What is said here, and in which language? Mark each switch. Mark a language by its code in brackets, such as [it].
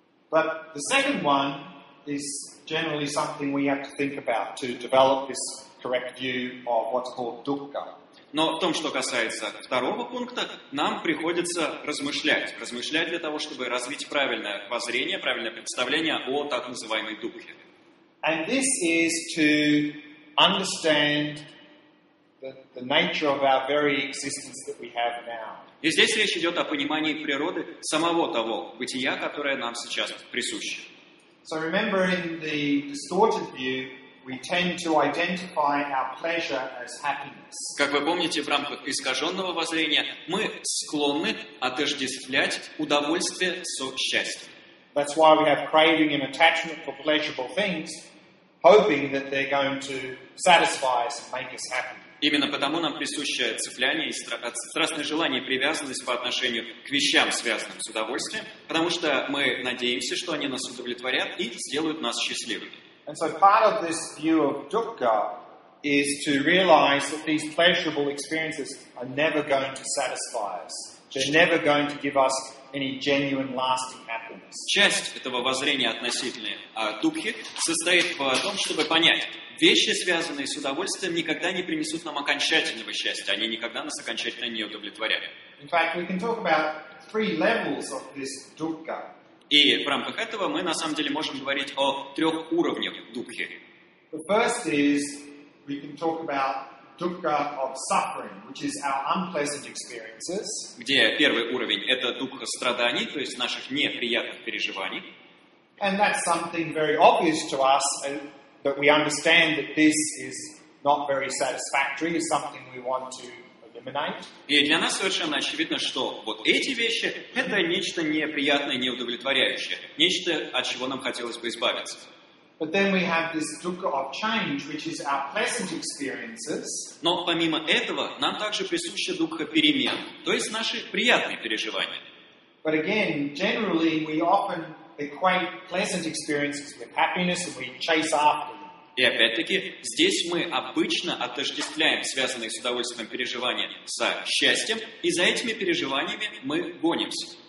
[en] But the second one is generally something we have to think about to develop this correct view of what's called dukkha. [ru] Но в том, что касается второго пункта, нам приходится размышлять для того, чтобы развить правильное воззрение, правильное представление о так называемой дукхе. [en] And this is to understand the nature of our very existence that we have now. [ru] И здесь речь идет о понимании природы самого того бытия, которое нам сейчас присуще. [en] So remember, in the distorted view, we tend to identify our pleasure as happiness. [ru] Как вы помните, в рамках искаженного воззрения мы склонны отождествлять удовольствие со счастьем. [en] That's why we have craving and attachment for pleasurable things, hoping that they're going to satisfy us and make us happy. [ru] Именно потому нам присуще цепляние и страстное желание и привязанность по отношению к вещам, связанным с удовольствием, потому что мы надеемся, что они нас удовлетворят и сделают нас счастливыми. [en] And so part of this view of dukkha is to realize that these pleasurable experiences are never going to satisfy us. They're never going to give us any genuine lasting happiness. [ru] Часть этого воззрения относительно дукхи состоит в том, чтобы понять, вещи, связанные с удовольствием, никогда не принесут нам окончательного счастья, они никогда нас окончательно не удовлетворяли. [en] In fact, we can talk about three levels of this dukkha. [ru] И в рамках этого мы на самом деле можем говорить о трех уровнях дукхи. [en] The first is we can talk about dukkha of suffering, which is our unpleasant experiences. [ru] Где первый уровень — это дукха страданий, то есть наших неприятных переживаний. [en] And that's something very obvious to us, that we understand that this is not very satisfactory, is something we want to eliminate. [ru] И для нас совершенно очевидно, что вот эти вещи — это нечто неприятное, неудовлетворяющее, нечто, от чего нам хотелось бы избавиться. [en] But then we have this dukkha of change, which is our pleasant experiences. [ru] Но помимо этого, нам также присуща дукха перемен, то есть наши приятные переживания. [en] But again, generally, we often equate pleasant experiences with happiness, and we chase after them. [ru] И опять-таки, здесь мы обычно отождествляем связанные с удовольствием переживания со счастьем, и за этими переживаниями мы гонимся.